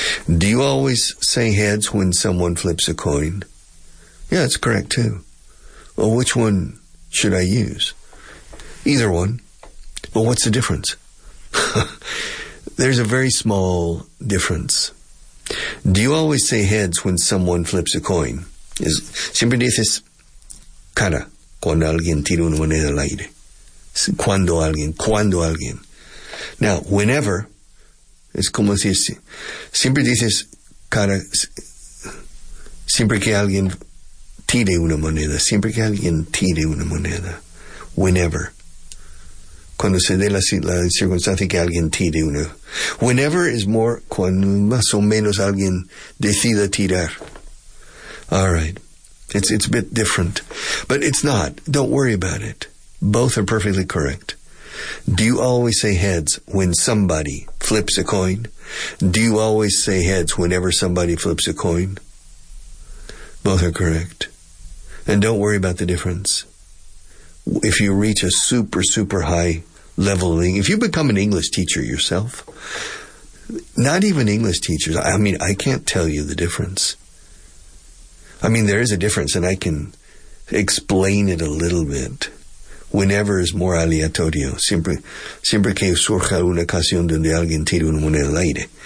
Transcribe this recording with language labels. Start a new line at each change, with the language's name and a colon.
English: Do you always say heads when someone flips a coin? Yeah, that's correct, too. Well, which one should I use? Either one. But what's the difference? There's a very small difference. Do you always say heads when someone flips a coin?
Spanish: Siempre dices cara cuando alguien tira una moneda al aire. Cuando alguien.
English: Now, whenever
Spanish: Es como si siempre dices cara, siempre que alguien tire una moneda, siempre que alguien tire una moneda, whenever, cuando se dé la circunstancia que alguien tire una, whenever is more cuando más o menos alguien decida tirar.
English: All right, it's a bit different, but it's not. Don't worry about it. Both are perfectly correct. Do you always say heads when somebody flips a coin? Do you always say heads whenever somebody flips a coin? Both are correct. And don't worry about the difference. If you reach a super, super high level, if you become an English teacher yourself, not even English teachers, I mean, I can't tell you the difference. I mean, there is a difference, and I can explain it a little bit. Whenever is more aleatorio.
Spanish: Siempre que surja una ocasión donde alguien tira una moneda al aire.